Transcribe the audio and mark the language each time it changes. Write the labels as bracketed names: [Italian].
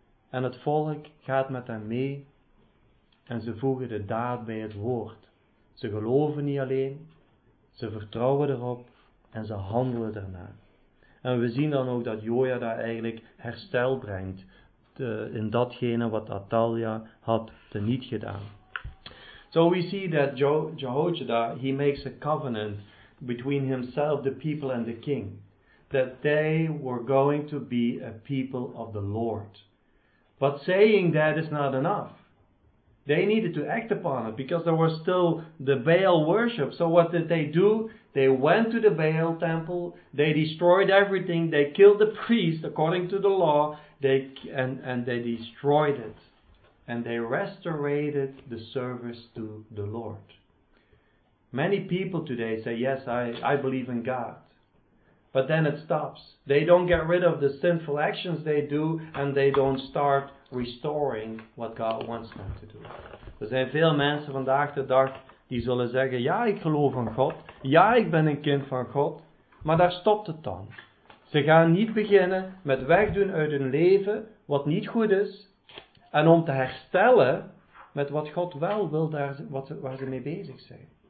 [Dutch] En het volk gaat met hem mee en ze voegen de daad bij het woord. Ze geloven niet alleen, ze vertrouwen erop. En ze handelen daarna. En we zien dan ook dat Jojada eigenlijk herstel brengt in datgene wat Atalia had teniet gedaan. [English] So we see that Jehojada, he makes a covenant between himself, the people and the king. That they were going to be a people of the Lord. But saying that is not enough. They needed to act upon it because there was still the Baal worship. So what did they do? They went to the Baal temple, they destroyed everything, they killed the priest according to the law, and they destroyed it. And they restored the service to the Lord. Many people today say, yes, I believe in God. But then it stops. They don't get rid of the sinful actions they do, and they don't start restoring what God wants them to do. [Dutch] Er zijn veel mensen vandaag de dag die zullen zeggen, ja, ik geloof in God. Ja, ik ben een kind van God. Maar daar stopt het dan. Ze gaan niet beginnen met wegdoen uit hun leven wat niet goed is. En om te herstellen met wat God wel wil, waar ze mee bezig zijn.